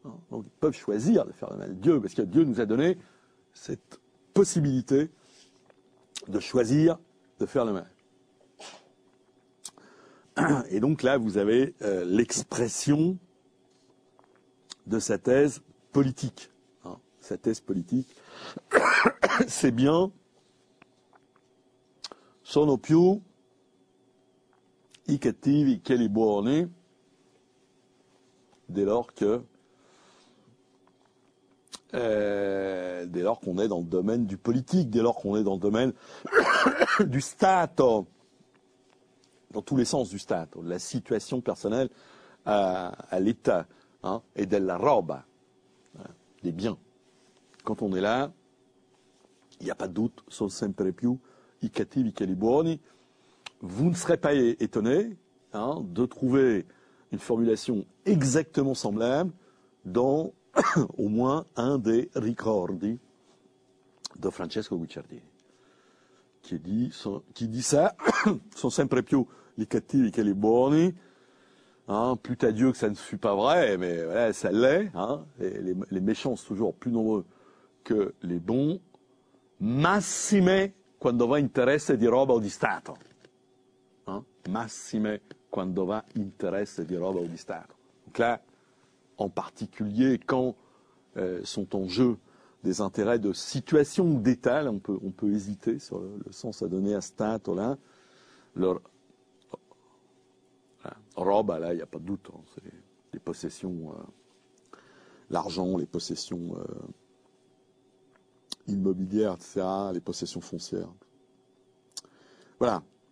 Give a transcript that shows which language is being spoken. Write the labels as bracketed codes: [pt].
[fr] Donc ils peuvent choisir de faire le mal. Dieu, parce que Dieu nous a donné cette possibilité de choisir de faire le mal. Et donc là, vous avez l'expression de sa thèse politique. Hein, sa thèse politique, c'est bien. [it] Sono più i cattivi che li buoni, [fr] dès lors qu'on est dans le domaine du politique, dès lors qu'on est dans le domaine du stato, dans tous les sens du stato, de la situation personnelle à l'état, hein, et [it] della roba, [fr] hein, des biens. Quand on est là, il n'y a pas de doute, [it] sono sempre più i cattivi che i buoni. [fr] Vous ne serez pas étonné, hein, de trouver une formulation exactement semblable dans au moins un des ricordi de Francesco Guicciardini, qui dit ça, [it] sono sempre più i cattivi che i buoni. [fr] Hein, plus à Dieu que ça ne fut pas vrai, mais voilà, ça l'est. Hein, les méchants sont toujours plus nombreux que les bons. [it] Massime quando va interesse di roba o di Stato. Hein, massime quando va interesse di roba o di Stato. [fr] Donc là, en particulier quand sont en jeu des intérêts de situation ou d'État, là, on peut hésiter sur le sens à donner à Stato là. Leur, roba, là, il n'y a pas de doute. Hein. C'est les possessions, l'argent, les possessions immobilières, etc., les possessions foncières. Voilà.